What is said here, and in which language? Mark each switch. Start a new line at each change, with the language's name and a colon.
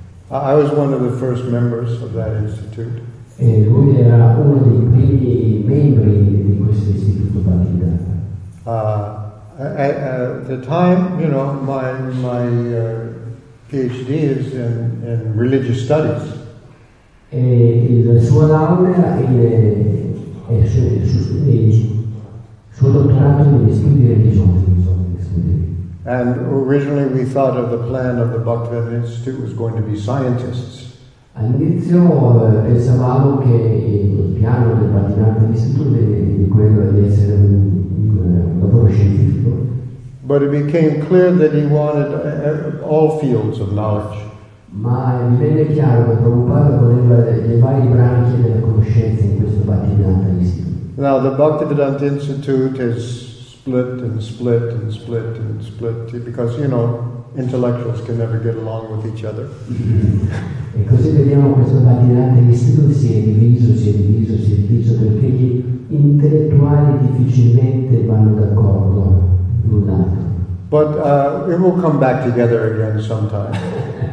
English: I was one of the first members of that institute.
Italian: E lui era uno dei primi membri di questo istituto Bhaktivedanta.
English: At the time, you know, my PhD is in religious studies.
Italian: E il suo laurea è il suo dottorato negli studi religiosi.
English: And originally we thought of the plan of the Bhaktivedanta Institute was going to be scientists.
Italian: All'inizio pensavamo che il piano del Bhaktivedanta Institute di quello di essere un lavoro scientifico.
English: But it became clear that he wanted all fields of knowledge.
Italian: Ma divenne chiaro che Prabhupada voleva le varie branche della conoscenza in questo Bhaktivedanta Institute.
English: Now the Bhaktivedanta Institute is split and split and split and split because, you know, intellectuals can never get along with each other.
Italian: E così vediamo questo Bhaktivedanta Institute si è diviso perché gli intellettuali difficilmente vanno d'accordo l'un l'altro.
English: But it will come back together again sometime.